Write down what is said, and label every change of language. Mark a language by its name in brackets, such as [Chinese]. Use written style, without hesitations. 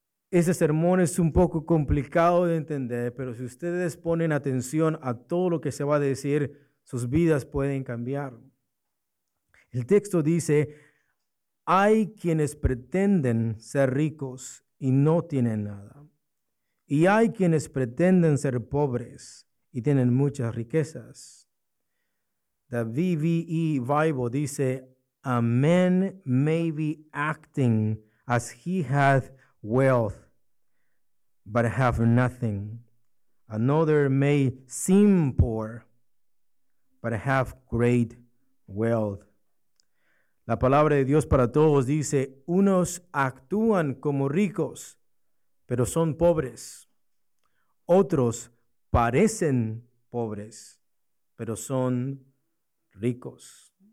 [Spanish] Ese sermón es un poco complicado de entender, pero si ustedes ponen atención a todo lo que se va a decir, sus vidas pueden cambiar. El texto dice, hay quienes pretenden ser ricos y no tienen nada. Y hay quienes pretenden ser pobres y tienen muchas riquezas. [English] The VVE Bible [Spanish] dice, [English] a man may be acting as he hath wealth, but have nothing. Another may seem poor, but have great wealth. [Spanish] La palabra de Dios para todos dice, unos actúan como ricos, pero son pobres. Otros parecen pobres, pero son ricos.